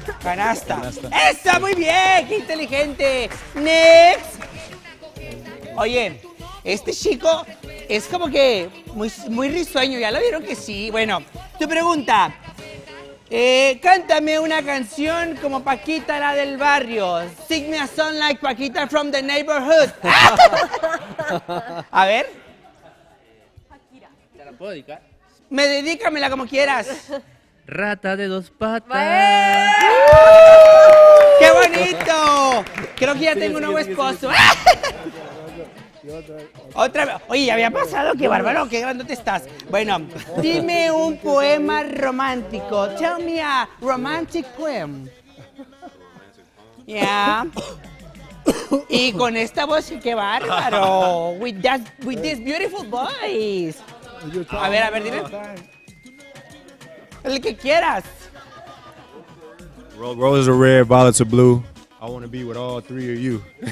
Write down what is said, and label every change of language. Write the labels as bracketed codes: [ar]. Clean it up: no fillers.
[es] Canasta. ¡Está muy bien! ¡Qué inteligente! ¡Next! Oye, este chico es como que muy, muy risueño. ¿Ya lo vieron que sí? Bueno, tu pregunta. Cántame una canción como Paquita, la del barrio. [en] Sing me a song like Paquita from the neighborhood. [es] A ver. Paquita. ¿Te la puedo dedicar? Me dedícamela como quieras. Rata de dos patas. ¡Qué bonito! Creo que ya tengo un nuevo esposo. Otra vez. Oye, ya había pasado, qué bárbaro, qué grandote estás. Bueno, dime un poema romántico. [en] Tell me a romantic poem. Yeah. [es] Y con esta voz, qué bárbaro. [en] With that, with this beautiful voice. [es] A ver, dime. El que quieras. [en] Roses are red, violets are blue. I want to be with all three of you.